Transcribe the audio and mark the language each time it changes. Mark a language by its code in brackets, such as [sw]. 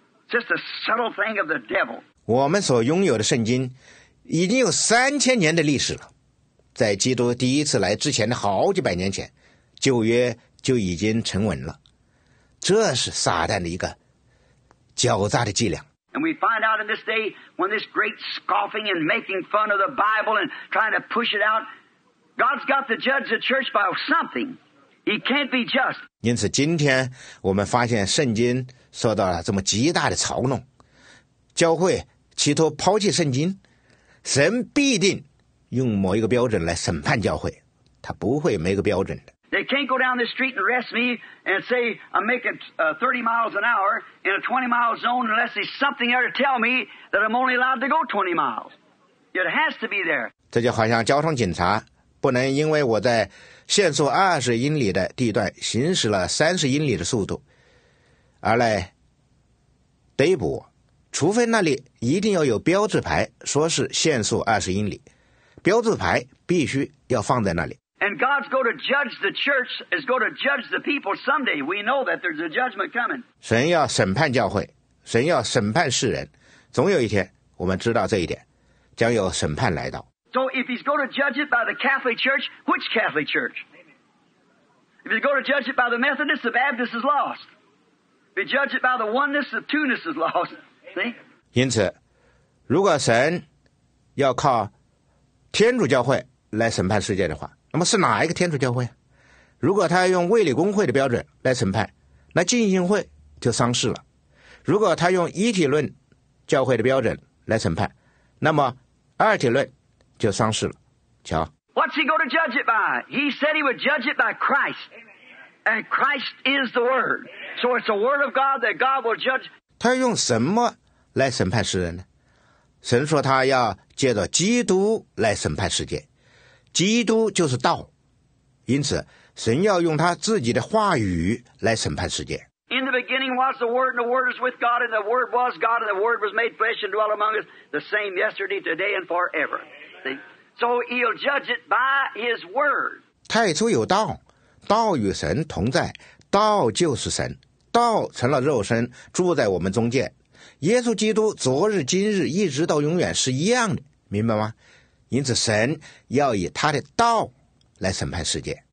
[en] Just a subtle thing of the devil. [zh] 我们所拥有的圣经已经有三千年的历史了，在基督第一次来之前的好几百年前，旧约就已经成文了。这是撒旦的一个狡诈的伎俩。 [en] And we find out in this day when this great scoffing and making fun of the Bible and trying to push it out, God's got to judge the church by something. He can't be just. [zh] 因此，今天我们发现圣经。受到了这么极大的嘲弄，教会企图抛弃圣经，神必定用某一个标准来审判教会，他不会没个标准的。 [en] They can't go down the street and arrest me and say I'm making 30 miles an hour in a 20 mile zone unless there's something there to tell me that I'm only allowed to go 20 miles. It has to be there. [zh] 这就好像交通警察不能因为我在限速20英里的地段行驶了30英里的速度。而来逮捕我，除非那里一定要有标志牌，说是限速二十英里，标志牌必须要放在那里。 [en] And God's going to judge the church, is going to judge the people someday. We know that there's a judgment coming. [zh] 神要审判教会，神要审判世人，总有一天，我们知道这一点。将有审判来到。 [en] So if he's going to judge it by the Catholic Church, which Catholic Church? If he's going to judge it by the Methodist, the Baptist is lost. If he judge it by the oneness, the two-ness is lost. See? [zh] 因此，如果神要靠天主教会来审判世界的话，那么是哪一个天主教会？如果他要用卫理公会的标准来审判，那浸信会就丧事了。如果他用一体论教会的标准来审判，那么二体论就丧事了。瞧。 [en] What's he going to judge it by? He said he would judge it by Christ. And Christ is the Word. So it's the Word of God that God will judge. [zh] 他要用什么来审判世人呢？神说他要借着基督来审判世界。基督就是道。因此神要用他自己的话语来审判世界。 [en] In the beginning was the Word, and the Word was with God, and the Word was God, and the Word was made flesh and dwelt among us, the same yesterday, today, and forever. So he'll judge it by his Word. [zh] 太初有道，道与神同在，道就是神，道成了肉身，住在我们中间。耶稣基督昨日今日一直到永远是一样的，明白吗？因此神要以他的道来审判世界。